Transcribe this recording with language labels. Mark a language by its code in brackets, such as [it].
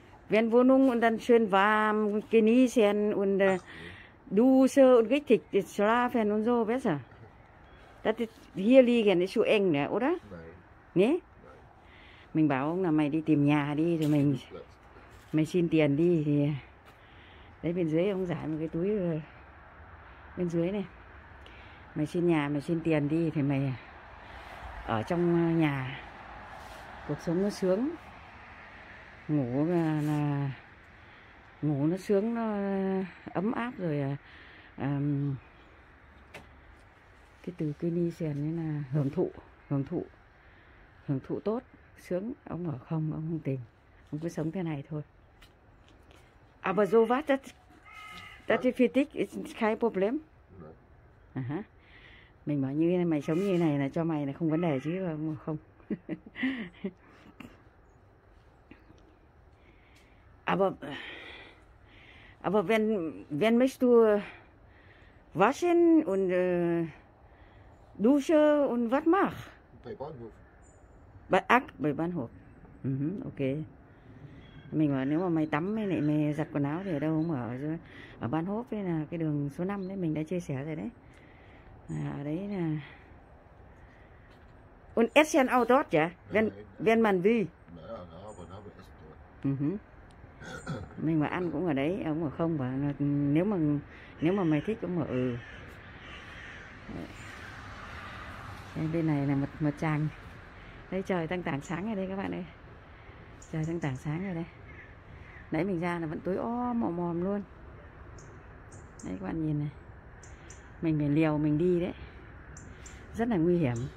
[de] Wenn Wohnung und dann schön warm genießen und Dusche und richtig schlafen und so, besser. Das ist hier liegen, ist so eng, ne, oder? Nein. Nee? Nein. [vi] Mình bảo ông là mày đi tìm nhà đi, rồi mày xin tiền đi. Thì đấy bên dưới ông giải một cái túi bên dưới này. Mày xin nhà, mày xin tiền đi thì mày ở trong nhà, cuộc sống nó sướng. Ngủ là ngủ nó sướng, nó ấm áp rồi cái từ cái ni sèn ấy là hưởng thụ tốt, sướng. Ông ở không, ông không tìm, ông cứ sống thế này thôi. [de] Aber so was das ist für dich ist kein Problem. [vi] Mình bảo như thế này, mày sống như thế này là cho mày là không vấn đề chứ không. [de] Aber wenn möchtest du waschen und duschen und was mach? Bei Bahnhof. Bei Bahnhof. Okay. [vi] Mình bảo nếu mà mày tắm hay này mày giặt quần áo thì ở đâu không ở chứ? Ở Bahnhof là cái đường số 5 đấy, mình đã chia sẻ rồi đấy. Ở đấy là [de] und essen auch dort ja? Wenn man will. Ja, aber da wir essen dort. Mhm. [vi] Mình mà ăn cũng ở đấy, ông ở không và nếu mà mày thích cũng ở bên này là một một tràng đây, trời đang tảng sáng ở đây các bạn ơi, trời đang tảng sáng ở đây, nãy mình ra là vẫn tối om mò mòm luôn đấy các bạn nhìn này, mình phải liều mình đi đấy, rất là nguy hiểm.